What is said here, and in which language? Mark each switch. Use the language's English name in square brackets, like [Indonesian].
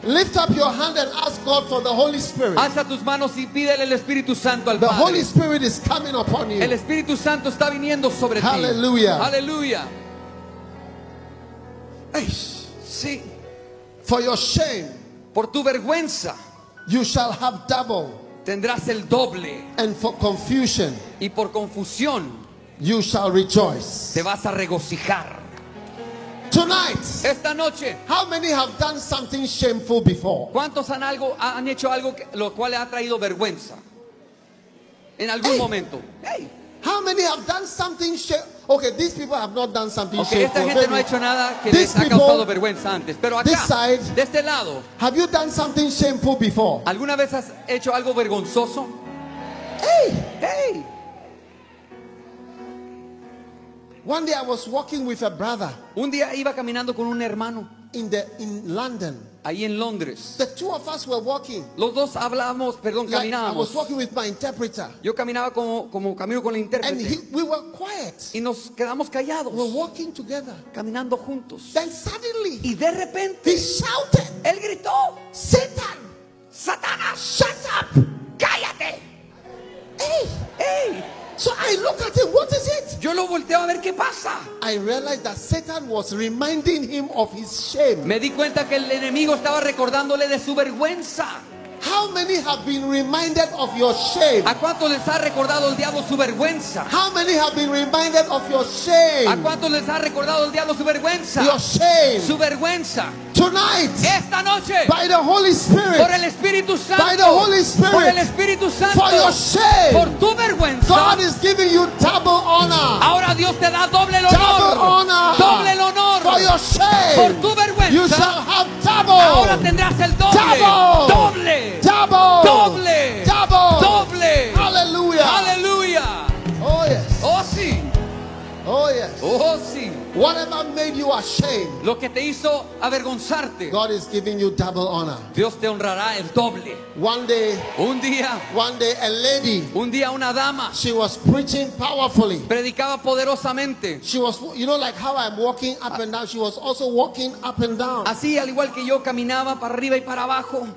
[English] lift up your hand and ask God for the Holy Spirit. [Spanish] Alza tus manos y pídele el Espíritu Santo al [English] the [Spanish] Padre. [English] Holy Spirit is coming upon you. [Spanish] El Espíritu Santo está viniendo sobre. [English] Hallelujah. [Spanish] Hallelujah. [English] Hey, [Spanish] sí. [English] For your shame, [Spanish] por tu vergüenza, [English] you shall have double, [Spanish] tendrás el doble, [English] and for confusion, [Spanish] y por confusión, [English] you shall rejoice, [Spanish] te vas a regocijar. [English] Tonight, [Spanish] esta noche, [English] how many have done something shameful before? [Spanish] ¿Cuántos han hecho algo lo cual ha traído vergüenza en algún momento? [English] Hey. How many have done something okay, these people have not done something okay, shameful. [Spanish] Esta gente no ha hecho nada que les ha causado vergüenza antes. Pero acá, [English] this side, [Spanish] de este lado, [English] have you done something shameful before? [Spanish] ¿Alguna vez has hecho algo vergonzoso? [English] Hey, hey. One day I was walking with a brother. [Spanish] Un día iba caminando con un hermano. [English] In London. [Spanish] Ahí en Londres. [English] The two of us were walking. [Spanish] Los dos hablamos, perdón, [English] like, [Spanish] caminábamos. [English] I was walking with my interpreter. [Spanish] Yo caminaba como camino con el intérprete. [English] And we were quiet. [Spanish] Y nos quedamos callados. [English] We're walking together. [Spanish] Caminando juntos. [English] Then suddenly, [Spanish] y de repente, [English] he shouted. [Spanish] Él gritó, [English] Satan, [Spanish] Satanás, [English] shut up, [Spanish] cállate. [English] Hey, hey. So I look at him, what is it? [Spanish] Yo lo volteo a ver qué pasa. [English] I realized that Satan was reminding him of his shame. [Spanish] Me di cuenta que el enemigo estaba recordándole de su vergüenza. [English] How many have been reminded of your shame? [Spanish] ¿A cuántos les ha recordado el diablo su vergüenza? [English] How many have been reminded of your shame? [Spanish] ¿A cuántos les ha recordado el diablo su vergüenza? [English] Your shame. [Spanish] Su vergüenza. [English] Tonight. [Spanish] Esta noche. [English] By the Holy Spirit. [Spanish] Por el Espíritu Santo. [English] By the Holy Spirit. [Spanish] Por el Espíritu Santo. [English] For your shame. [Spanish] Por tu vergüenza. [English] God is giving you double honor. [Spanish] Ahora Dios te da doble el honor. [English] Double honor. [Spanish] Doble el honor. [English] For your shame. [Spanish] Por tu vergüenza. [English] You shall have double. [Spanish] Ahora tendrás el doble. [English] Double. [Spanish] Doble. [English] Double. [Spanish] Doble. [English] Double. [Spanish] Doble. [English] Hallelujah. [Spanish] Hallelujah. [English] Oh yes. [Spanish] Oh sí. [English] Oh yes. [Spanish] Oh sí. [English] What am I making? made you ashamed, [Spanish] lo que te hizo avergonzarte, [English] God is giving you double honor. [Spanish] Dios te honrará el doble. [English] One day, [Spanish] un día, [English] one day a lady, [Spanish] un día una dama, [English] she was preaching powerfully, [Spanish] predicaba poderosamente. [English] She was, you know, like how I'm walking up and down. She was also walking up and down. [Spanish] Así, al igual que yo, caminaba para arriba y para abajo.